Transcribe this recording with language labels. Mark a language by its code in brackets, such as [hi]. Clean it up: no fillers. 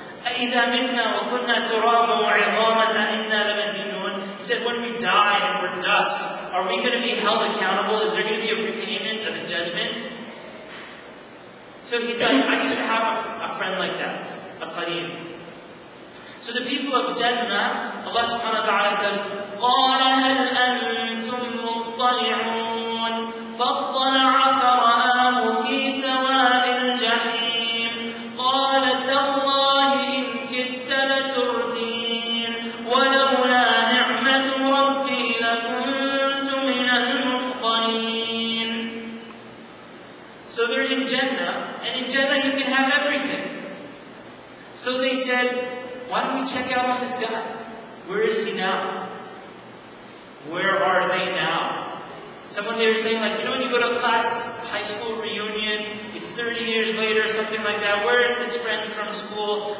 [ar] أَإِذَا مِتْنَا وَكُنَّا تُرَابًا وَعِظَامًا أَإِنَّا لَمَدِينُونَ. [en] He said, when we die and we're dust, are we going to be held accountable? Is there going to be a repayment of the judgment? So he's like, I used to have a friend like that, a qareen. So the people of Jannah, Allah subhanahu wa ta'ala says, [ar] قَالَ هَلْ أَنْتُمْ مُطَّلِعُونَ فَاطَّلَعَ فَرَآهُ فِي سَوَاءِ الْجَحِيمِ قَالَ تَاللَّهِ إِنْ كِدْتَ لَتُرْدِينَ وَلَوْلَا نِعْمَةُ رَبِّي لَكُنْتُ مِنَ الْمُحْضَنِينَ. [en] So they're in Jannah, and in Jannah you can have everything. So they said, why don't we check out on this guy? Where is he now? Where are they now? Someone there saying, like, you know when you go to class, high school reunion, it's 30 years later, something like that, where is this friend from school?